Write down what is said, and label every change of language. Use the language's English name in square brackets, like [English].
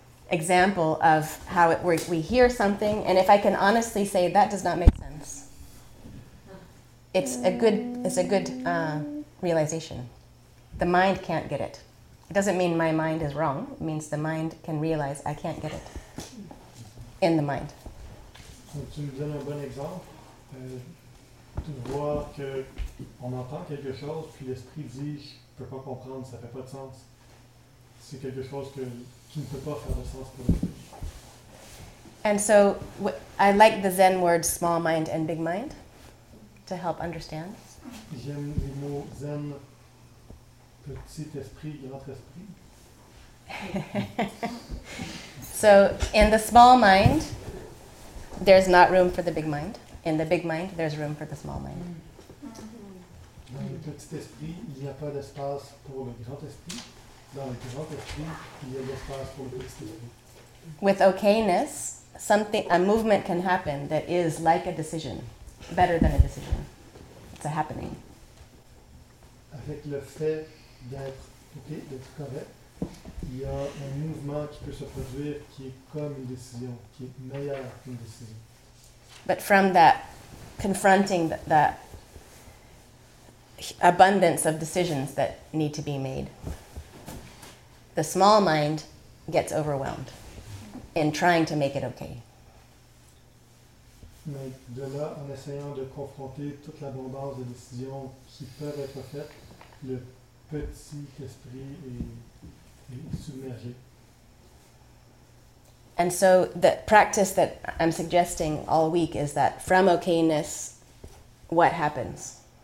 [English] example of how it, we hear something, and if I can honestly say that does not make sense, it's a good realization. The mind can't get it. It doesn't mean my mind is wrong. It means the mind can realize I can't get it in the mind. [French] Tu me donnes un bon exemple. Tu vois que on entend quelque chose puis l'esprit dit je peux pas comprendre, ça fait pas de sens. C'est quelque chose que qui ne peut pas faire de sens pour l'esprit. [English] And so I like the Zen words small mind and big mind to help understand. [French] J'aime les mots Zen. Petit esprit, grand esprit. [English] So in the small mind, there's not room for the big mind. In the big mind, there's room for the small mind. [French] Dans le petit esprit, il n'y a pas d'espace pour le grand esprit. Dans le grand esprit, il y a d'espace pour le petit esprit. [English] With okayness, something, a movement can happen that is like a decision, better than a decision. It's a happening. [French] Avec le fait d'être okay, d'être correct, il y a un mouvement qui peut se produire qui est comme une décision, qui est meilleure qu'une décision. [English] But from that confronting that abundance of decisions that need to be made, the small mind gets overwhelmed in trying to make it okay. [French] Mais de là, en essayant de confronter toute l'abondance de décisions qui peuvent être faites, le petit esprit est submergé. [English] And so the practice that I'm suggesting all week is that from okayness, what happens?